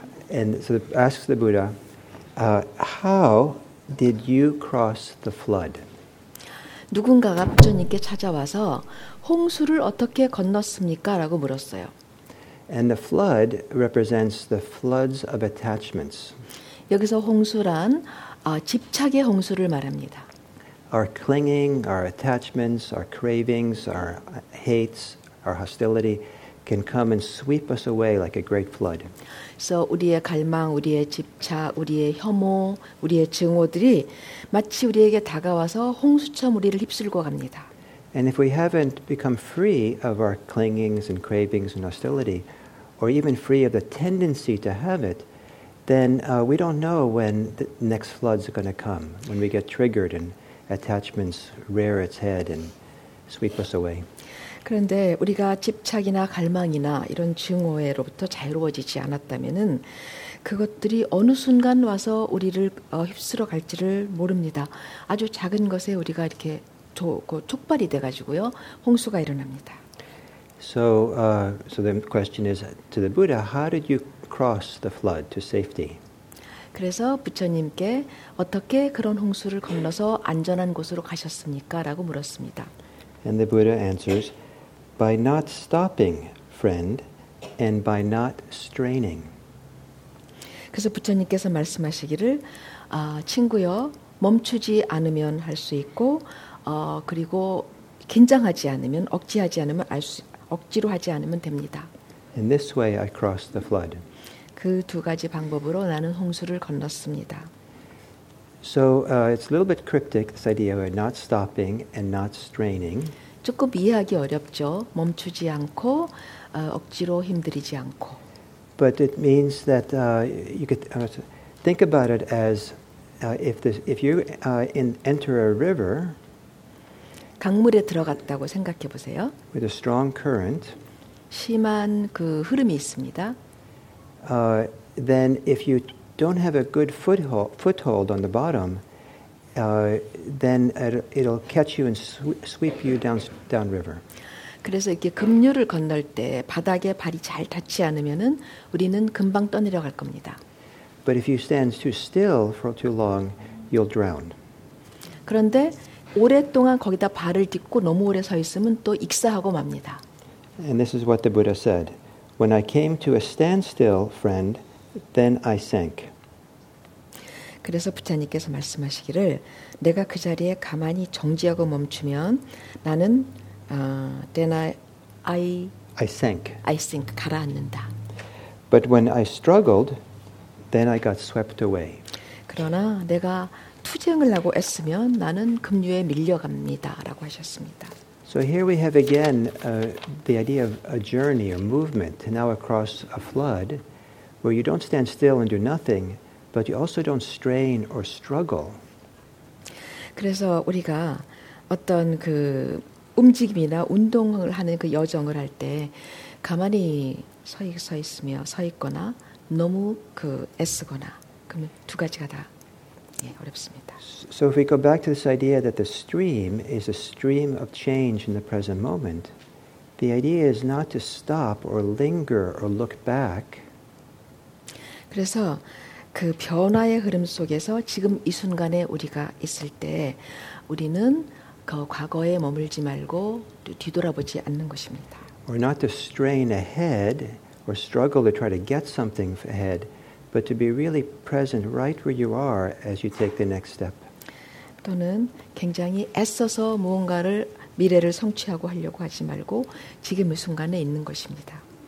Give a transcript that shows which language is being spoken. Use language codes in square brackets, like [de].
[en] And so asks the Buddha, how did you cross the flood? [ko] 누군가가 부처님께 찾아와서 홍수를 어떻게 건넜습니까? 라고 물었어요. [en] And the flood represents the floods of attachments. [ko] 여기서 홍수란 집착의 홍수를 말합니다. [en] Our clinging, our attachments, our cravings, our hates, our hostility can come and sweep us away like a great flood. [ko] So 우리의 갈망, 우리의 집착, 우리의 혐오, 우리의 증오들이 마치 우리에게 다가와서 홍수처럼 우리를 휩쓸고 갑니다. [en] And if we haven't become free of our clingings and cravings and hostility, or even free of the tendency to have it, then we don't know when the next flood's going to come, when we get triggered and attachments rear its head and sweep us away. [ko] 그런데 우리가 집착이나 갈망이나 이런 증오에로부터 자유로워지지 않았다면은 그것들이 어느 순간 와서 우리를 휩쓸어 갈지를 모릅니다. 아주 작은 것에 우리가 이렇게 촉발이 돼가지고요 홍수가 일어납니다. [en] So the question is to the Buddha, how did you cross the flood to safety? [ko] 그래서 부처님께 어떻게 그런 홍수를 건너서 안전한 곳으로 가셨습니까?라고 물었습니다. [en] And the Buddha answers, by not stopping, friend, and by not straining. [ko] 그래서 부처님께서 말씀하시기를, 친구여, 멈추지 않으면 할 수 있고 그리고 긴장하지 않으면 억지하지 않으면 억지로 하지 않으면 됩니다. [en] In this way, I crossed the flood. [ko] 그 두 가지 방법으로 나는 홍수를 건넜습니다. [en] So it's a little bit cryptic, this idea of not stopping and not straining. [ko] 조금 이해하기 어렵죠. 멈추지 않고 억지로 힘들이지 않고. [en] But it means that you could think about it as if you enter a river. [ko] 강물에 들어갔다고 생각해 보세요. [en] With a strong current, [ko] 심한 그 흐름이 있습니다. [en] Then if you don't have a good foothold on the bottom, then it'll catch you and sweep you down river. [ko] 그래서 이렇게 급류를 건널 때 바닥에 발이 잘 닿지 않으면은 우리는 금방 떠내려갈 겁니다. [en] But if you stand too still for too long, you'll drown. [ko] 그런데 오랫동안 거기다 발을 딛고 너무 오래 서 있으면 또 익사하고 맙니다. [en] And this is what the Buddha said. When I came to a standstill, friend, then I sank. [ko] 그래서 부처님께서 말씀하시기를 내가 그 자리에 가만히 정지하고 멈추면 나는 [en] then I sank. [ko] 가라앉는다. [en] But when I struggled, then I got swept away. [ko] 그러나 내가 투쟁을 하고 애쓰면 나는 급류에 밀려갑니다라고 하셨습니다. [en] So here we have again the idea of a journey or movement to now across a flood where you don't stand still and do nothing, but you also don't strain or struggle. [ko] 그래서 우리가 어떤 그 움직임이나 운동을 하는 그 여정을 할 때 가만히 서 있거나 너무 그 애쓰거나 그러면 두 가지가 다 어렵습니다. [en] So if we go back to this idea that the stream is a stream of change in the present moment, the idea is not to stop or linger or look back. [ko] 그래서 그 변화의 흐름 속에서 지금 이 순간에 우리가 있을 때 우리는 그 과거에 머물지 말고 뒤돌아보지 않는 것입니다. [en] Or not to strain ahead or struggle to try to get something ahead, but to be really present right where you are as you take the next step. [ko] 또는 굉장히 애써서 무언가를 미래를 성취하고 하려고 하지 말고 지금 이 순간에 있는 것입니다.